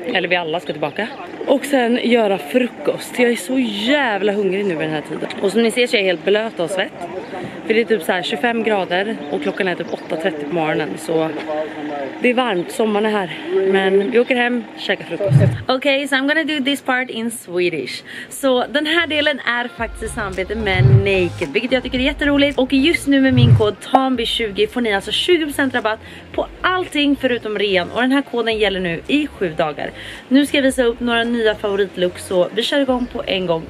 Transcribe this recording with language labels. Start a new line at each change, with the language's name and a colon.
Swedish: Eller vi alla ska tillbaka. Och sen göra frukost. Jag är så jävla hungrig nu i den här tiden. Och som ni ser så är jag helt blöt av svett. För det är typ så här 25 grader. Och klockan är typ 8:30 på morgonen. Så det är varmt. Sommaren är här. Men vi åker hem och käkar frukost.
English: Okej, okay, so I'm gonna do this part in Swedish.
Swedish: Så den här delen är faktiskt samarbete med Naked. Vilket jag tycker är jätteroligt. Och just nu med min kod Tanby20 får ni alltså 20% rabatt på allting förutom ren. Och den här koden gäller nu i 7 dagar. Nu ska jag visa upp några nya favoritlook, så vi kör igång på en gång.